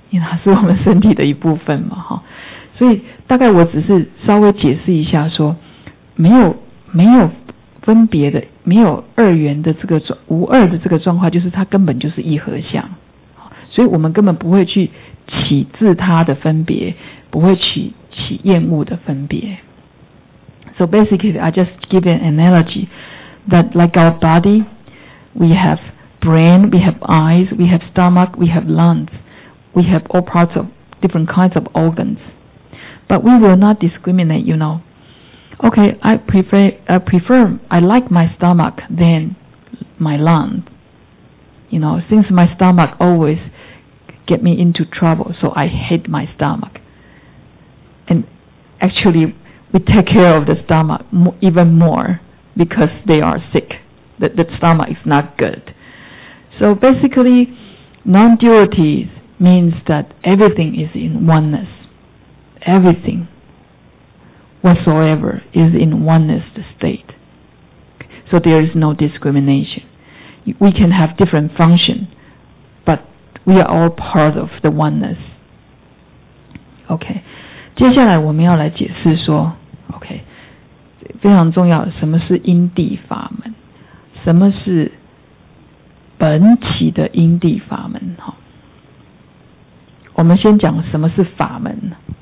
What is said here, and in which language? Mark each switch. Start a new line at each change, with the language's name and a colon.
Chinese: 因为它是我们身体的一部分嘛，哈。所以大概我只是稍微解释一下说，没有分别的，没有二元的这个无二的这个状况，就是它根本就是一合相，所以我们根本不会去起自他的分别，不会起厌恶的分别。
English: So basically, I just give an analogy that like our body, we have brain, we have eyes, we have stomach, we have lungs, we have all parts of different kinds of organs, but we will not discriminate, you know. Okay, I like my stomach than my lung. You know, since my stomach always get me into trouble, so I hate my stomach. And actually, we take care of the stomach even more because they are sick. The stomach is not good. So basically, non-duality means that everything is in oneness. Everything. Whatsoever is in oneness state. So there is no discrimination. We can have different function, but we are all part of the oneness. Okay.
Chinese: 接下来我们要来解释说 OK 非常重要，什么是因地法门，什么是本起的因地法门。我们先讲什么是法门。